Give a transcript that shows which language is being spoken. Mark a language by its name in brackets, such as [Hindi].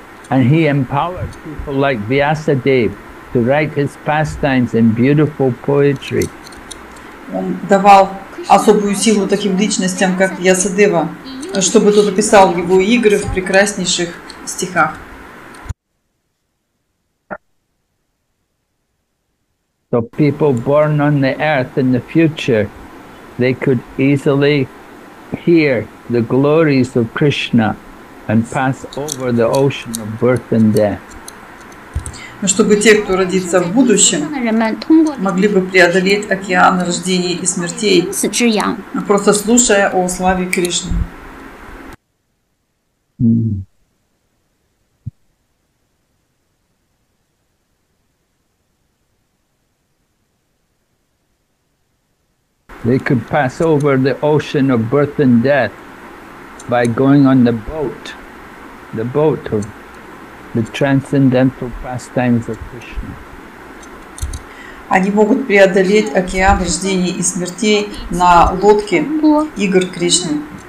[English] And he empowers people like Vyasadeva to write his pastimes in beautiful poetry. [Russian] Он давал особую силу таким личностям, как Ясадева, чтобы тот писал его игры в прекраснейших стихах. [English] So people born on the earth in the future, they could easily hear the glories of Krishna and pass over the ocean of birth and death. [Russian] Но чтобы те, кто родится в будущем, могли бы преодолеть океан рождений и смертей, просто слушая о славе Кришны. [English] They could pass over the ocean of birth and death by going on the boat of the transcendental pastimes of Krishna. [Russian] Они могут преодолеть океан рождений и смертей на лодке игр Кришны.